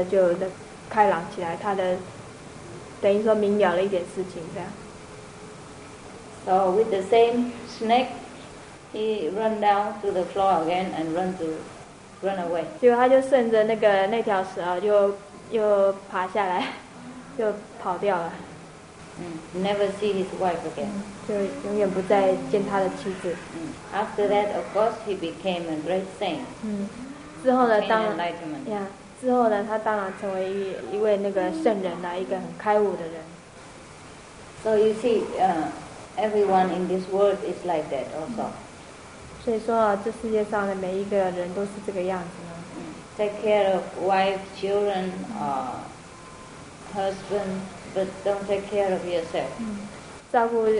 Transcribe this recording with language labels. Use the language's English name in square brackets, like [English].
[Chinese] 那这时候他先生听完这些话呢，就瞬间的就开朗起来，他的。等于说明了一点事情，这样。 [English] So with the same snake, he run down to the floor again and run away. [Chinese] 结果他就顺着那条蛇，又爬下来，又跑掉了。 [English] Never see his wife again. [Chinese] 就永远不再见他的妻子。 [English] After that, of course, he became a great saint. [Chinese] 之后呢，他当然成为一位那个圣人呐，一个很开悟的人。 [English] So you see, everyone in this world is like that also. [Chinese] 所以说，这世界上的每一个人都是这个样子呢。 [English] Take care of wife, children, husband, but don't take care of yourself.